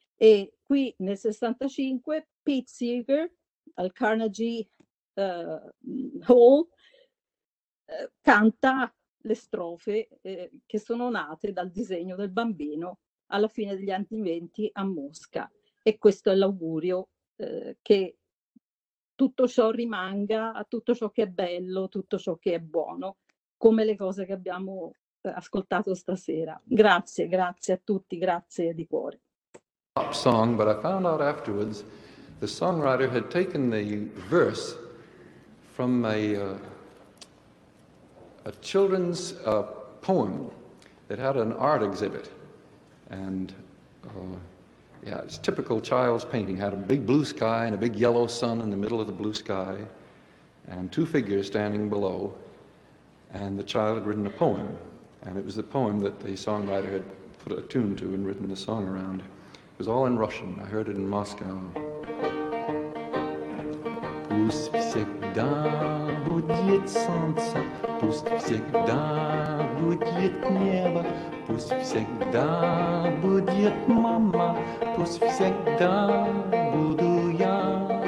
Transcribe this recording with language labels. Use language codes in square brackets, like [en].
[it] E qui nel 65 Pete Seeger al Carnegie Hall canta le strofe che sono nate dal disegno del bambino alla fine degli anni 20 a Mosca. E questo è l'augurio che tutto ciò rimanga, a tutto ciò che è bello, tutto ciò che è buono, come le cose che abbiamo ascoltato stasera. Grazie, grazie a tutti, grazie di cuore. [en] Pop song, but I found out afterwards the songwriter had taken the verse from a children's poem that had an art exhibit. And yeah, it's typical child's painting. It had a big blue sky and a big yellow sun in the middle of the blue sky, and two figures standing below. And the child had written a poem, and it was the poem that the songwriter had put a tune to and written the song around. It was all in Russian. I heard it in Moscow. [ru] Пусть всегда будет солнце, пусть всегда будет небо, пусть всегда будет мама, пусть всегда буду я.